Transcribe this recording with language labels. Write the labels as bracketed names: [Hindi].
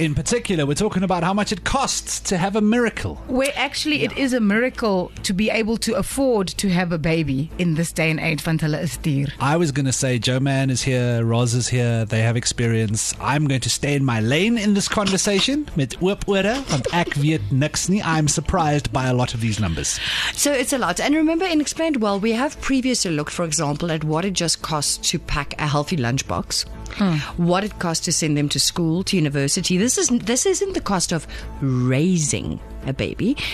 [English] In particular, we're talking about how much it costs to have a miracle. Where actually it is a miracle to be able to afford to have a baby in this day and age. Fantala is dear. I was going to say, Joe Mann is here, Roz is here, they have experience. I'm going to stay in my lane in this conversation. [Afrikaans] Met oop oore, want ek weet niks nie. [English] I'm surprised by a lot of these numbers. So it's a lot. And remember, in Explained Well, we have previously looked, for example, at what it just costs to pack a healthy lunchbox. What it costs to send them to school, to university. This isn't the cost of raising a baby.